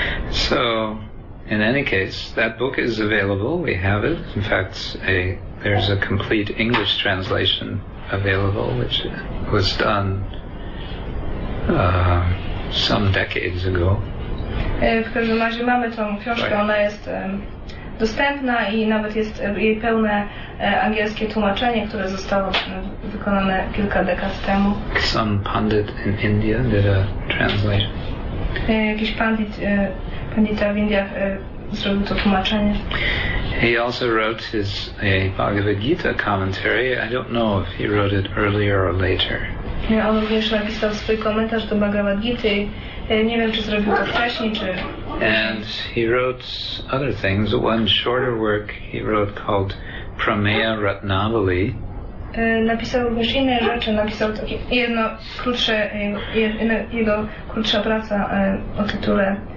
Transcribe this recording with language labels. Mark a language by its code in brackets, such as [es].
[en] So, in any case, that book is available. We have it. In fact, there's a complete English translation available, which was done some decades ago. [pl] W każdym razie mamy tą książkę. [en] Right. [pl] Ona jest dostępna i nawet jest jej pełne angielskie tłumaczenie, które zostało wykonane kilka dekad temu. [en] Some pundit in India did a translation. [pl] Jakiś pandita w Indiach zrobił to tłumaczenie. [en] He also wrote his Bhagavad Gita commentary. I don't know if he wrote it earlier or later. [pl] On również napisał swój komentarz do Bhagavad Gita. Nie wiem, czy zrobił to wcześniej, czy... [en] And he wrote other things. One shorter work he wrote called Prameya Ratnavali. [pl] Napisał również inne rzeczy, napisał jedno krótsze, jego krótsza praca o tytule